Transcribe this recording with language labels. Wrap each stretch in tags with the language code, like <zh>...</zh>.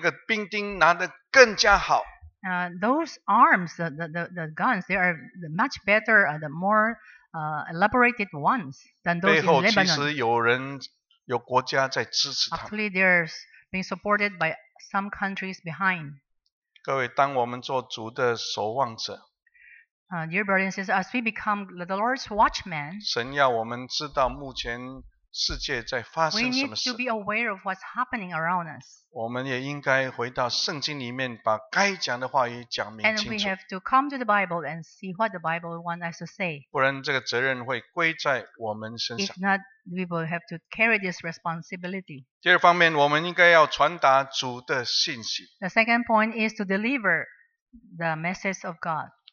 <zh>为什么这些所谓的他带的机关枪比黎巴嫩的那个兵丁拿的更加好？</zh> <en>Those arms, the guns, they are much better, the more elaborated ones than those in Lebanon.</en> <zh>背后其实有人。</zh> <en>Actually, there's being supported by some countries behind.</en> <zh>各位，当我们做主的守望者，</zh> <en>dear brothers and sisters, as we become the Lord's watchman,</en> <zh>神要我们知道目前世界在发生什么事。</zh> <en>We need to be aware of what's happening around us.</en> <zh>我们也应该回到圣经里面，把该讲的话语讲明清楚。</zh> <en>And we have to come to the Bible and see what the Bible wants us to say.</en> <zh>不然这个责任会归在我们身上。</zh> <en>If not, we will have to carry this responsibility.</en> <zh>第二方面，我们应该要传达主的信息。</zh> <en>The second point is to deliver the message of God.</en>